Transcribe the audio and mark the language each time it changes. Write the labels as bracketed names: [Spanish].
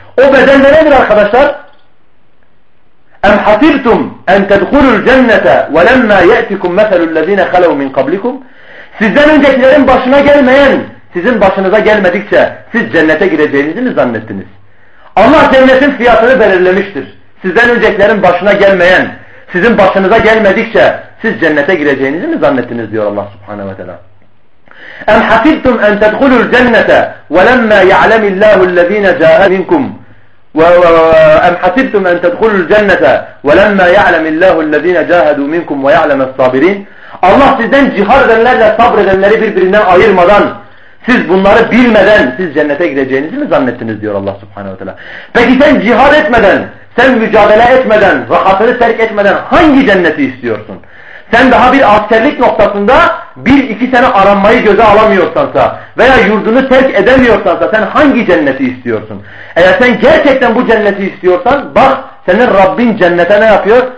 [Turkish] O bedel nedir arkadaşlar? [Arabic] اَمْ حَسِبْتُمْ اَنْ تَدْخُلُوا الْجَنَّةَ وَلَمَّا يَأْتِكُمْ مَثَلُ الَّذ۪ينَ خَلَوْا مِنْ قَبْلِكُمْ [Turkish] Sizden öncekilerin başına gelmeyen, sizin başınıza gelmedikçe siz cennete gireceğinizi mi zannettiniz? Allah cennetin fiyatını belirlemiştir. Sizden öncekilerin başına gelmeyen, sizin başınıza gelmedikçe siz cennete gireceğinizi mi zannettiniz diyor Allah Subhanahu ve Teala. [Arabic] اَمْ حَسِبْتُمْ اَنْ تَدْخُلُوا الْجَنَّةَ وَلَمَّا يَعْلَمِ اللَّهُ الَّذ۪ينَ جَاهَدُوا مِنْكُمْ وَأَمْ حَسِبْتُمْ أَنْ تَدْخُلُوا الْجَنَّةَ وَلَمَّا يَعْلَمِ اللَّهُ الَّذ۪ينَ جَاهَدُوا مِنْكُمْ وَيَعْلَمَ الصَّابِرِينَ [Turkish] Allah sizden cihar edenlerle sabredenleri birbirinden ayırmadan, siz bunları bilmeden siz cennete gireceğinizi mi zannettiniz diyor Allah Subhanahu ve Teala. Peki sen cihar etmeden, sen mücadele etmeden, rahatını terk etmeden hangi cenneti istiyorsun? Sen daha bir askerlik noktasında bir iki sene aranmayı göze alamıyorsansa veya yurdunu terk edemiyorsansa sen hangi cenneti istiyorsun? Eğer sen gerçekten bu cenneti istiyorsan bak senin Rabbin cennete ne yapıyor?